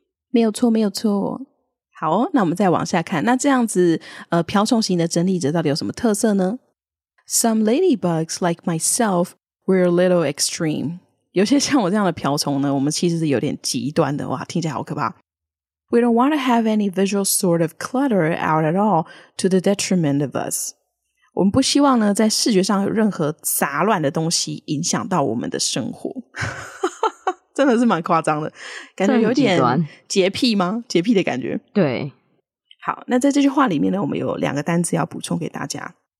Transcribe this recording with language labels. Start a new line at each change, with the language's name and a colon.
Chinese: 没有错没有错。好，哦，那我们再往下看，那这样子瓢虫型的整理者到底有什么特色呢？
English: Some ladybugs like myself were a little extreme.
Chinese: 有些像我这样的瓢虫呢，我们其实是有点极端的，哇，听起来好可怕。
English: We don't want to have any visual sort of clutter out at all to the detriment of us.
Chinese: 我们不希望呢在视觉上有任何杂乱的东西影响到我们的生活。真的是蛮夸张的，感觉有点洁癖吗？洁癖的感觉。对，好，那在这句话里面呢，我们有两个单字要补充给大家。